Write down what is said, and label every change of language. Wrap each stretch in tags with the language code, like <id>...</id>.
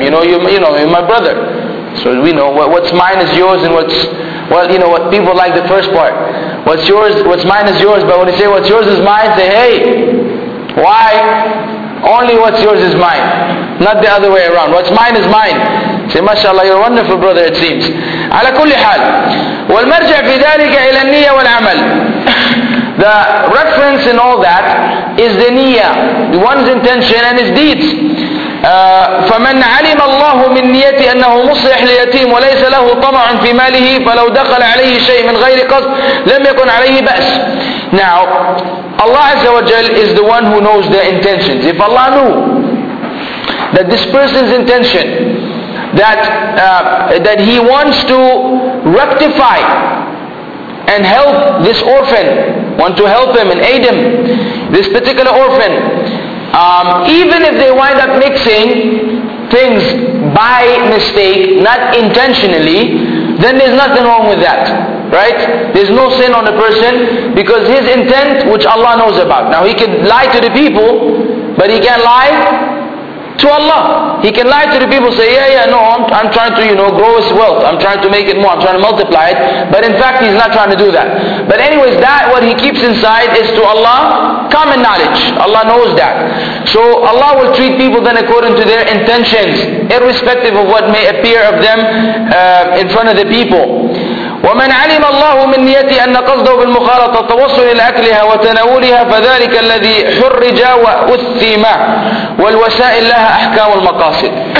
<en>You know, you're my brother, so we know what's mine is yours, and what people like the first part. What's yours, what's mine is yours. But when you say what's yours is mine, say, hey, why? Only what's yours is mine, not the other way around. What's mine is mine. Say, mashallah, you're a wonderful brother, it seems.</en> <ar>على كل حال والمرجع في ذلك إلى النية والعمل.</ar> <en>The reference in all that is the niyyah, the one's intention and his deeds.</en> <ar>فمن علم الله من نيتي أنه مصلح ليتيم وليس له طمع في ماله فلو دخل عليه شيء من غير قصد لم يكن عليه بأس.</ar> <en>Now, Allah Azza wa Jal is the one who knows the intentions. If Allah knew that this person's intention, that he wants to rectify and help this orphan, want to help him and aid him, this particular orphan, even if they wind up mixing things by mistake, not intentionally, then there's nothing wrong with that, right? There's no sin on a person, because his intent, which Allah knows about. Now, he can lie to the people, but he can't lie to Allah. He can lie to the people, say, no, I'm trying to, you know, grow his wealth, I'm trying to make it more, I'm trying to multiply it, but in fact he's not trying to do that. But anyways, that what he keeps inside is to Allah common knowledge. Allah knows that. So Allah will treat people then according to their intentions, irrespective of what may appear of them in front of the people.</en> <ar>ومن علم الله من نيتي أن قصده بالمخالطة التوصل إلى أكلها وتناولها فذلك الذي حرج وأثم والوسائل لها أحكام المقاصد.</ar>